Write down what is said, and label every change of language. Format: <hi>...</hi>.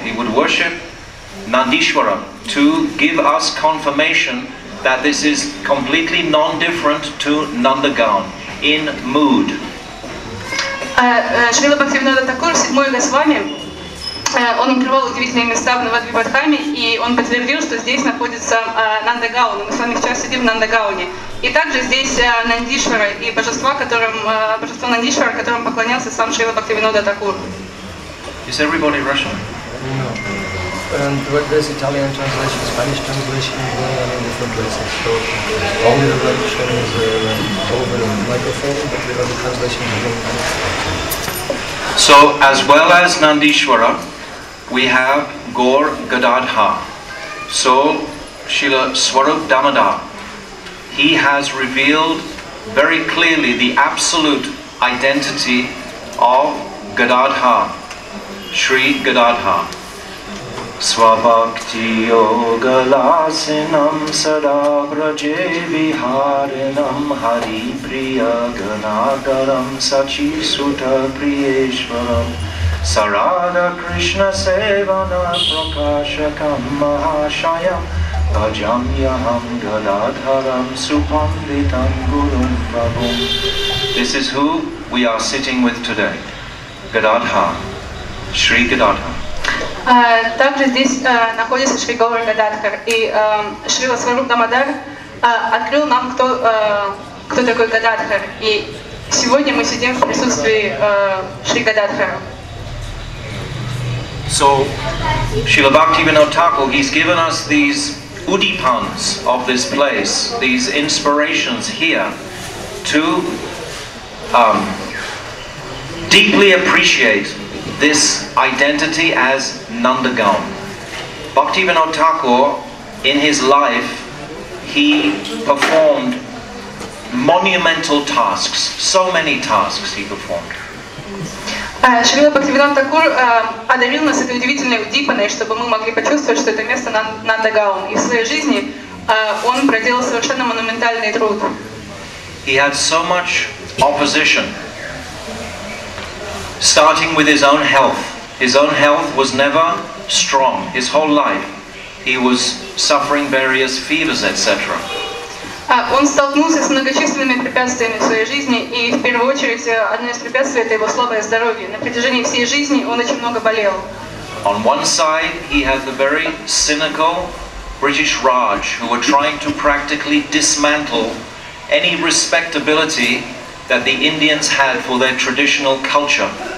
<en>He would worship Nandishwara to give us confirmation that this is completely non-different to Nandagaon in mood.</en> <ru>Srila Bhaktivinoda Thakur, седьмой Госвами, Он открывал удивительные места в Навадвипатхаме, и он подтвердил, что здесь находится Нандагауна. Мы с вами сейчас сидим в Нандагауне. И также здесь Нандишвара и божество Нандишвара, которым поклонялся сам Шрила Бхактивинода Такур.</ru> <en>Is everybody Russian? No. And what does Italian translation, Spanish translation, going on in different places? So only the Russian is over the microphone, but we have the translation is going on. So as well as Nandishwara, we have Gaur Gadadhar. So Srila Swarup Damodar, he has revealed very clearly the absolute identity of Gadadhar. Shri Gadadhar.</en> <sa>Swabhakti Yoga Lasinam Sadabraje Viharinam Hari Priya Ganagaram Sachi Sutta Priyeshwaram Sarada Krishna Sevana Prakashakam Mahashayam Bhajam Yaham Gadadharam Supanditam Gurum Prabhum.</sa> <en>This is who we are sitting with today. Gadadhar. Shri Gadadhar.</en> <ru>Также здесь находится Шри Гаура Гададхар, и Шрила Сварупа Дамодар открыл нам, кто такой Гададхар. И сегодня мы сидим в присутствии Шри Гададхара.</ru> <en>So, Srila Bhaktivinoda Thakur, he's given us these udipans of this place, these inspirations here, to deeply appreciate this identity as Nandagaon. Bhaktivinoda Thakur, in his life, he performed monumental tasks, so many tasks he performed.</en> <ru>Шрила Бхактивинода Такур одарил нас этой удивительной удипаной, чтобы мы могли почувствовать, что это место Нандагаон. И в своей жизни он проделал совершенно монументальный труд.</ru> <en>He had so much opposition. Starting with his own health. His own health was never strong. His whole life he was suffering various fevers, etc.</en> <ru>Он столкнулся с многочисленными препятствиями в своей жизни, и в первую очередь одно из препятствий — это его слабое здоровье. На протяжении всей жизни он очень много болел.</ru> <en>On one side he had the very cynical British Raj, who were trying to practically dismantle any respectability that the Indians had for their traditional culture.</en>